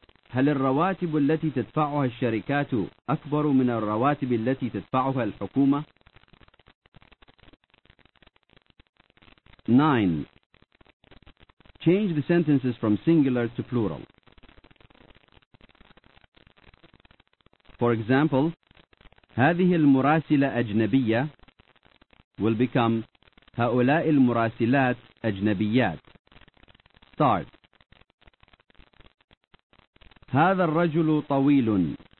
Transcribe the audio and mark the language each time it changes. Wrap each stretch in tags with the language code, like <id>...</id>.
<ar>هل الرواتب التي تدفعها الشركات أكبر من الرواتب التي تدفعها الحكومة؟ 9.</ar> <en>Change the sentences from singular to plural. For example, هذه المراسلة أجنبية will become هؤلاء المراسلات أجنبيات. Start.</en> <ar>هذا الرجل طويل.</ar>